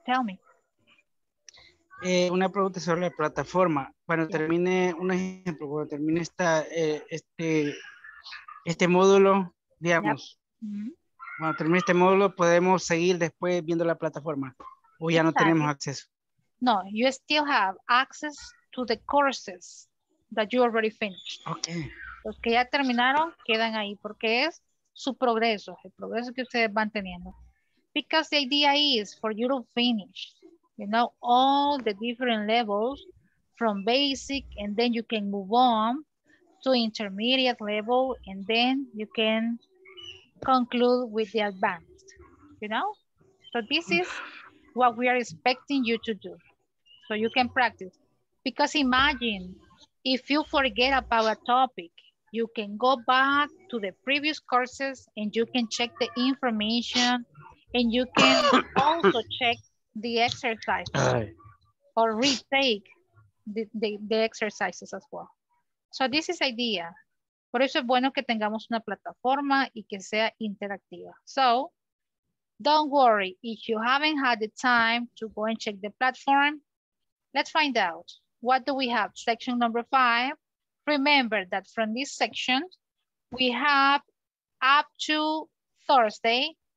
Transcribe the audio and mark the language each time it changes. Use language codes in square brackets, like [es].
[en] Tell me. [es] Una pregunta sobre la plataforma. Cuando termine, un ejemplo, cuando termine este módulo, digamos, cuando termine este módulo, podemos seguir después viendo la plataforma. ¿O ya no tenemos acceso? [en] No, you still have access to the courses that you already finished. Okay. [es] Los que ya terminaron quedan ahí porque es su progreso, el progreso que ustedes van teniendo. [en] Because the idea is for you to finish, you know, all the different levels from basic and then you can move on to intermediate level and then you can conclude with the advanced, you know? So this is what we are expecting you to do. So you can practice. Because imagine if you forget about a topic, you can go back to the previous courses and you can check the information and you can also check the exercises or retake the exercises as well. So this is idea. [es] Por eso es bueno que tengamos una plataforma y que sea interactiva. [en] So, don't worry, if you haven't had the time to go and check the platform, let's find out. What do we have? Section number 5. Remember that from this section, we have up to Thursday.